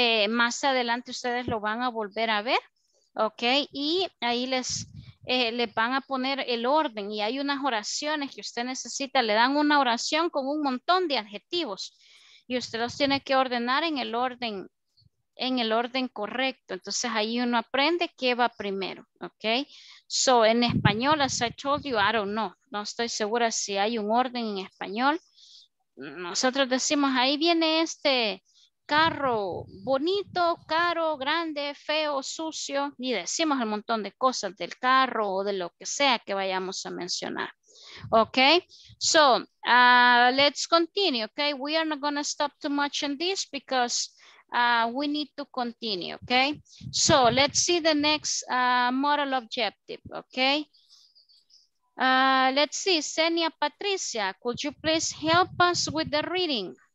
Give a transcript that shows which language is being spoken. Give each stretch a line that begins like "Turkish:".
Spanish: Más adelante ustedes lo van a volver a ver, ok, y ahí les van a poner el orden, y hay unas oraciones que usted necesita, le dan una oración con un montón de adjetivos y usted los tiene que ordenar en el orden correcto. Entonces ahí uno aprende qué va primero, ok.
English: So,
Spanish: en español,
English: as I told you, I don't know.
Spanish: No estoy segura si hay un orden en español. Nosotros decimos, ahí viene este carro bonito, caro, grande, feo, sucio. Y decimos un montón de cosas del carro o de lo que sea que vayamos a mencionar.
English: Ok, so, let's continue, ok. We are not going to stop too much on this because we need to continue, okay? So let's see the next model objective, okay? Let's see, Xenia Patricia, could you please help us with the reading?